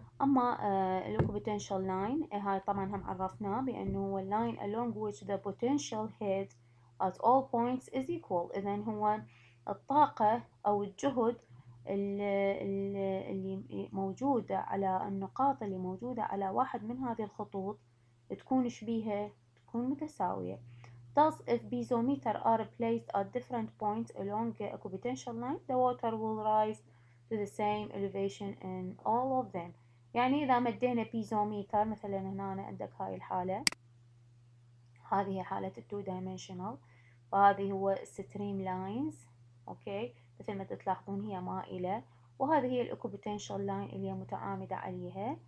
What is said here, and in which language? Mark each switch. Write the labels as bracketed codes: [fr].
[ar] أما potential line هاي طبعا هم عرفناه بأنه هو [en] line along which the potential head at all points is equal. [ar] إذن هو الطاقة أو الجهد اللي موجودة على النقاط اللي موجودة على واحد من هذه الخطوط تكون شبيهة، تكون متساوية. [en] Thus, if piezometer are placed at different points along the equipotential line, the water will rise to the same elevation in all of them. [ar] يعني إذا مدينا بيزوميتر مثلا هنا عندك هاي الحالة، هذه حالة التو دايمنشنال، وهذه هو ستريم لاينز، أوكي مثل ما تلاحظون هي مائلة، وهذه هي الإكوبوتنشال لاين اللي هي متعامدة عليها.